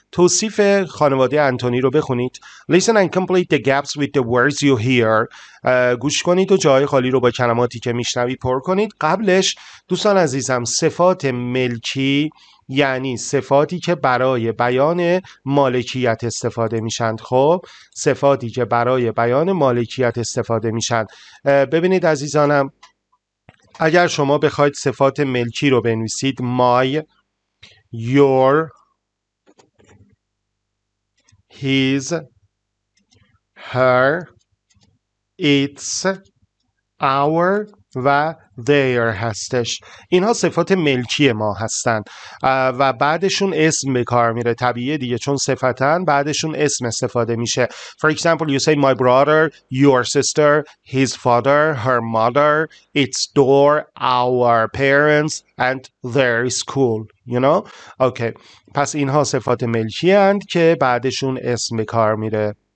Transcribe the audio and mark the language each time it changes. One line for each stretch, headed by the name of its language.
Persian: توصیف خانواده انتونی رو بخونید.
English: Listen and complete the gaps with the words you hear.
Persian: گوش کنید و جای خالی رو با کلماتی که میشنوید پر کنید. قبلش دوستان عزیزم، صفات ملکی یعنی صفاتی که برای بیان مالکیت استفاده میشن. خب صفاتی که برای بیان مالکیت استفاده میشن. ببینید عزیزانم، اگر شما بخواید صفات ملکی رو بنویسید my, your, his, her, its, our و their هستش. اینها صفات ملکی ما هستند و بعدشون اسم به کار میره، طبیعیه دیگه، چون صفتاً بعدشون اسم استفاده میشه.
English: For example you say my brother, your sister, his father, her mother, its door, our parents and their school, you know. Okay.
Persian: پس اینها صفات ملکی هستند که بعدشون اسم به کار میره.